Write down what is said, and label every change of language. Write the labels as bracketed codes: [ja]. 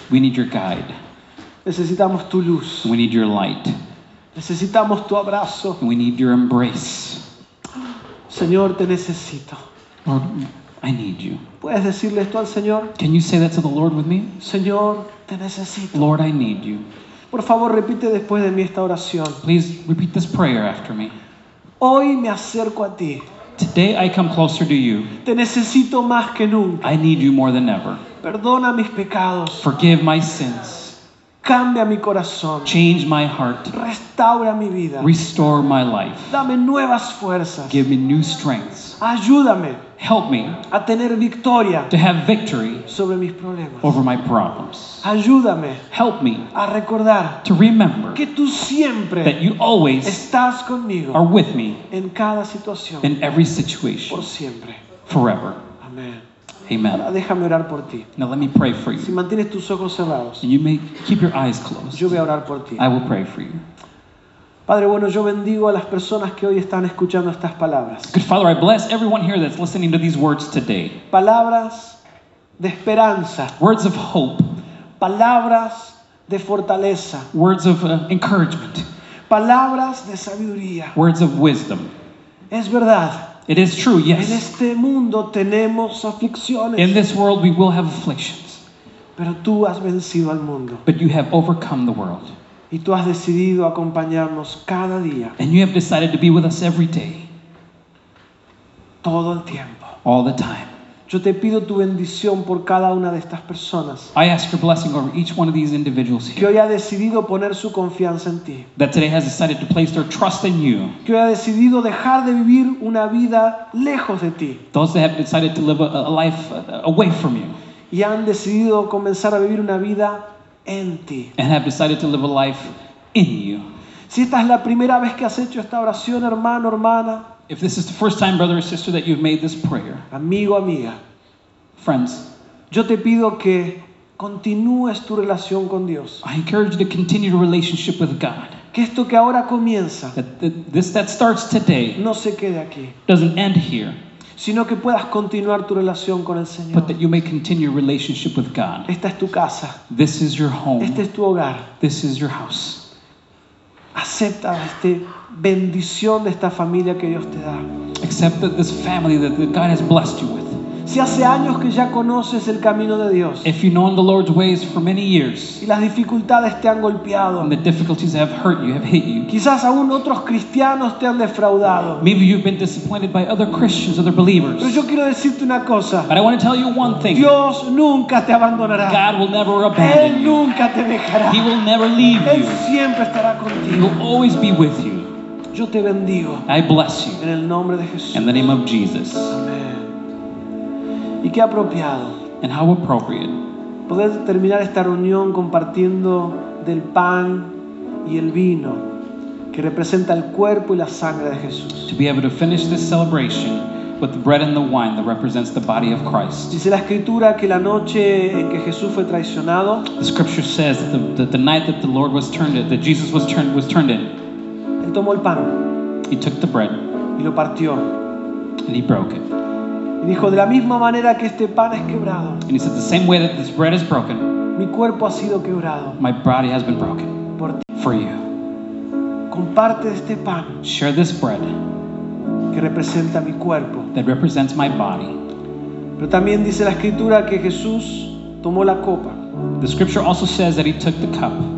[en] We need your guide. [es] Necesitamos tu luz. [en] We need your light. [es] Necesitamos tu abrazo. [en] We need your embrace. [es] Señor, te necesito. [en] Lord, I need you. [es] ¿Puedes decirle esto al Señor? [en] Can you say that to the Lord with me? [es] Señor, te necesito. [en] Lord, I need you. [es] Por favor, repite después de mí esta oración. [en] Please repeat this prayer after me. [es] Hoy me acerco a ti. [en] Today I come closer to you. [es] Te necesito más que nunca. [en] I need you more than ever. [es] Perdona mis pecados. [en] Forgive my sins. [es] Cambia mi corazón. [en] Change my heart. [es] Restaura mi vida. [en] Restore my life. [es] Dame nuevas fuerzas. [en] Give me new strengths. [es] Ayúdame. [en] Help me. [es] A tener victoria. [en] To have victory. [es] Sobre mis problemas. [en] Over my problems. [es] Ayúdame. [en] Help me. [es] A recordar. [en] To remember. [es] Que tú siempre. [en] That you always. [es] Estás conmigo. [en] Are with me. [es] En cada situación. [en] In every situation. [es] Por siempre. [en] Forever. [es] Amén. [en] Amen. [es] Déjame orar por ti. [en] Now let me pray for you. [es] Si mantienes tus ojos cerrados. [en] And you may keep your eyes closed. [es] Yo voy a orar por ti. [en] I will pray for you. [es] Padre bueno, yo bendigo a las personas que hoy están escuchando estas palabras. [en] Good Father, I bless everyone here that's listening to these words today. [es] Palabras de esperanza. [en] Words of hope. [es] Palabras de fortaleza. [en] Words of encouragement. [es] Palabras de sabiduría. [en] Words of wisdom. [es] Es verdad. [en] It is true, yes. [es] En este mundo tenemos aflicciones. [en] In this world we will have afflictions. [es] Pero tú has vencido al mundo. [en] But you have overcome the world. [es] Y tú has decidido acompañarnos cada día. [en] And you have decided to be with us every day. [es] Todo el tiempo. [en] All the time. [es] Yo te pido tu bendición por cada una de estas personas. [en] I ask your blessing over each one of these individuals here. [es] Que hoy ha decidido poner su confianza en ti. [en] That today has decided to place their trust in you. [es] Que hoy ha decidido dejar de vivir una vida lejos de ti. [en] Those that have decided to live a life away from you. [es] Y han decidido comenzar a vivir una vida en ti. [en] And have decided to live a life in you. [es] Si esta es la primera vez que has hecho esta oración, hermano, hermana. [en] If this is the first time, brother or sister, that you've made this prayer. [es] Amigo, amiga. [en] Friends. [es] Yo te pido que continúes tu relación con Dios. [en] I encourage you to continue your relationship with God. [es] Que esto que ahora comienza. [en] That starts today. [es] No se quede aquí. [en] Doesn't end here. [es] Sino que puedas continuar tu relación con el Señor. [en] But that you may continue your relationship with God. [es] Esta es tu casa. [en] This is your home. [es] Este es tu hogar. [en] This is your house. [es] Acepta este bendición de esta familia que Dios te da. [en] Accept this family that God has blessed you with. [es] Si hace años que ya conoces el camino de Dios. [en] If you know the Lord's ways for many years. [es] Y las dificultades te han golpeado. [en] And the difficulties have hurt you, have hit you. [es] Quizás aún otros cristianos te han defraudado. [en] Maybe you've been disappointed by other Christians, other believers. [es] Pero yo quiero decirte una cosa. [en] But I want to tell you one thing. [es] Dios nunca te abandonará. [en] God will never abandon [es] you. Él nunca te dejará. [en] He will never leave you. [es] Él siempre estará contigo. [en] He will always be with you. [es] Yo te bendigo. [en] I bless you. [es] En el nombre de Jesús. [en] In the name of Jesus. [es] Amen. Y qué apropiado. [en] And how appropriate. [es] Poder terminar esta reunión compartiendo del pan y el vino que representa el cuerpo y la sangre de Jesús. [en] To be able to finish this celebration with the bread and the wine that represents the body of Christ. [es] Dice la escritura que la noche en que Jesús fue traicionado, [en] the scripture says that the night that the Lord was turned in, that Jesus was turned in, [es] él tomó el pan, [en] he took the bread, [es] y lo partió, [en] and he broke it. [es] Y dijo, de la misma manera que este pan es quebrado, [en] and he said, the same way that this bread is broken, [es] mi cuerpo ha sido quebrado, [en] my body has been broken, [es] por ti, [en] for you. [es] Comparte este pan, [en] share this bread, [es] que representa mi cuerpo, [en] that represents my body. [es] Pero también dice la escritura que Jesús tomó la copa, [en] the scripture also says that he took the cup,